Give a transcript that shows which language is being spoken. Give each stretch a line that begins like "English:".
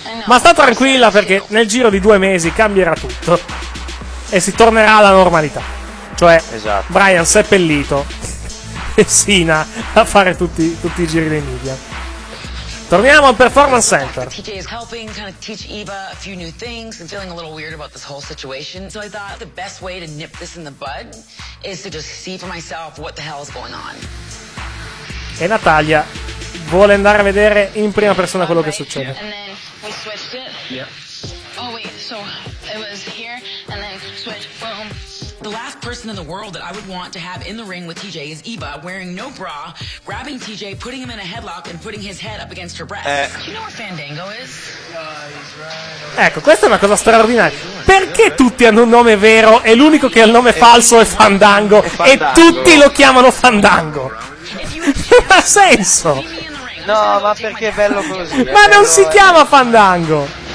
Italian: Ma sta tranquilla perché nel giro di 2 mesi cambierà tutto e si tornerà alla normalità. Cioè, esatto. Bryan seppellito e Cena a fare tutti i giri dei media. Torniamo al Performance Center.
English: TJ is helping kind of teach Eva a few new things and feeling a little weird about this whole situation. So I thought the best way to nip this in the bud is to just see for myself what the hell is going on.
Italian: E Natalia vuole andare a vedere in prima persona quello che succede.
English: And then we switched it. Yeah. Oh wait, so it was here and then switch, boom. The last person in the world that I would want to have in the ring with TJ is Eva, wearing no bra, grabbing TJ, putting him in a headlock and putting his head up against her breast. Do you know where Fandango is?
Italian: Ecco, questa è una cosa straordinaria. Perché tutti hanno un nome vero e l'unico che ha il nome falso è Fandango, e tutti lo chiamano Fandango? Non ha senso. No, ma perché è bello così. Ma non si chiama Fandango.